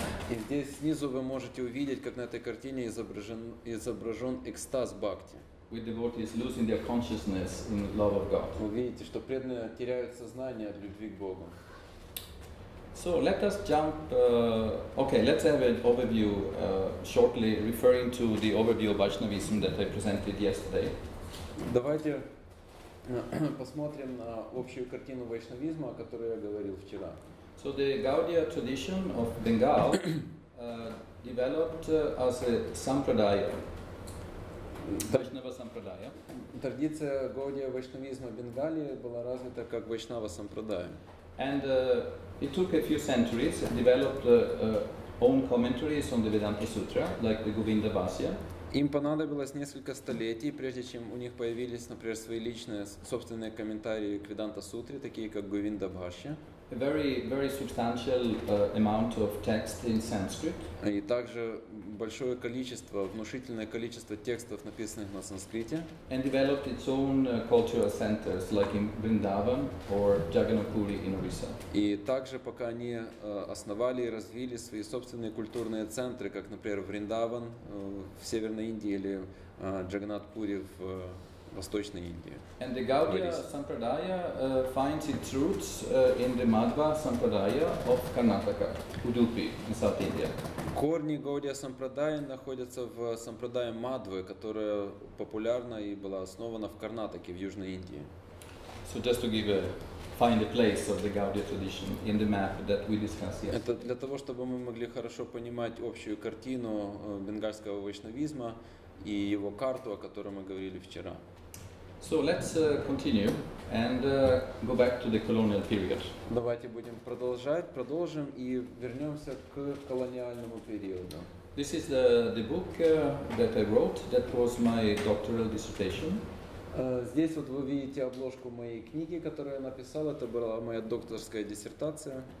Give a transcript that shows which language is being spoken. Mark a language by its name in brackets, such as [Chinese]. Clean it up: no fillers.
[Russian] И здесь снизу вы можете увидеть, как на этой картине изображен экстаз бхакти. [English] With devotees losing their consciousness in love of God. [Russian] Вы видите, что преданные теряют сознание от любви к Богу. [English] So let us jump. Let's have an overview shortly, referring to the overview of Vaishnavism that I presented yesterday. [Russian] Давайте посмотрим на общую картину вайшнавизма, о которой я говорил вчера. [English] So the Gaudiya tradition of Bengal developed as a sampradaya. Vaishnava sampradaya. [Russian] Традиция Гаудия вайшнавизма Бенгалии была развита как вайшнава сампрадая. [English] And it took a few centuries and developed own commentaries on the Vedanta Sutra, like the Govinda Vasya. [Russian] Им понадобилось несколько столетий, прежде чем у них появились, например, свои личные, собственные комментарии к Веданта Сутре, такие как Говинда Бхашья. [English] A very, very substantial amount of text in Sanskrit. [Russian] И также большое количество, внушительное количество текстов, написанных на санскрите. [English] And developed its own cultural centers, like in Vrindavan or Jagannath Puri in Orissa. [Russian] И также пока они основали и развили свои собственные культурные центры, как, например, Вриндаван в Северной Индии или Джагнат Пури в Восточной Индии. [English] And the Gaudiya Sampradaya finds its roots in the Madhva Sampradaya of Karnataka, Udupi, in South India. [Russian] Корни Гаудия Сампрадая находятся в Сампрадае Мадвы, которая популярна и была основана в Карнатаке, в Южной Индии. [English] So just to give find a place of the Gaudiya tradition in the map that we discussed yesterday. [Russian] Это для того, чтобы мы могли хорошо понимать общую картину бенгальского вайшнавизма и его карту, о которой мы говорили вчера. [English] So let's continue and go back to the colonial period. [Russian] Давайте будем продолжим и вернемся к колониальному периоду. [English] This is the book that I wrote. That was my doctoral dissertation. [Russian] Здесь вот вы видите обложку моей книги, которую я написал. Это была моя докторская диссертация.